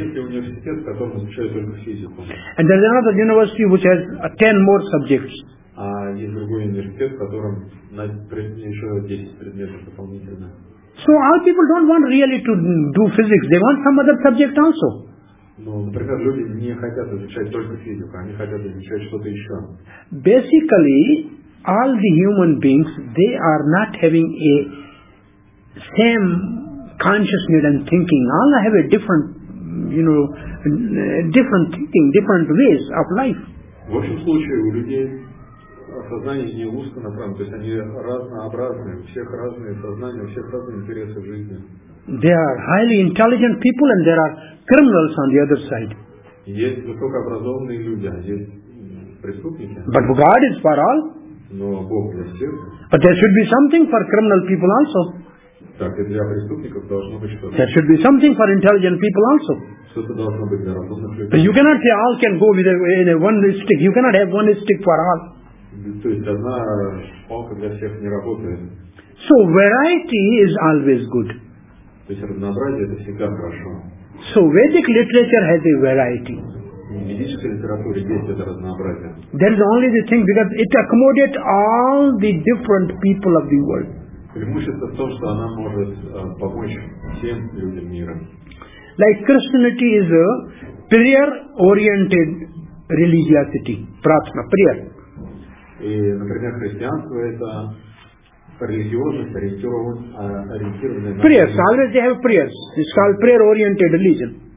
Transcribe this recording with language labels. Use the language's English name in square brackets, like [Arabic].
[English] And there's another university which has 10 more subjects. So our people don't want really to do physics. They want some other subject also. [Russian] Ну, например, люди не хотят изучать только физику, они хотят изучать что-то еще. [English] Basically, all the human beings, they are not having a same consciousness and thinking. All have a different, you know, different thinking, different ways of life. [Russian] В общем случае, у людей сознание не узко направлено, то есть они разнообразные, у всех разные сознания, у всех разные интересы в жизни. [English] They are highly intelligent people and there are criminals on the other side. [Russian] Есть высокообразованные люди, а есть преступники. [English] But God is for all. [Russian] Но Бог для всех. [English] But there should be something for criminal people also. [Russian] Так, и для преступников должно быть что-то. [English] There should be something for intelligent people also. [Russian] Что-то должно быть для разумных людей. [English] But you cannot say all can go with a one stick. You cannot have one stick for all. [Russian] То есть одна палка для всех не работает. [English] So variety is always good. [Russian] То есть разнообразие это всегда хорошо. [English] So Vedic literature has a variety. [Russian] В ведической литературе есть это разнообразие. [English] There is only the thing because it accommodates all the different people of the world. [Russian] Преимущество в том, что она может помочь всем людям мира. [English] Like Christianity is a prayer-oriented religiosity, prarthana, prayer. [Russian] И, например, христианство это [English] Prayers. Always they have prayers. It's called prayer-oriented religion.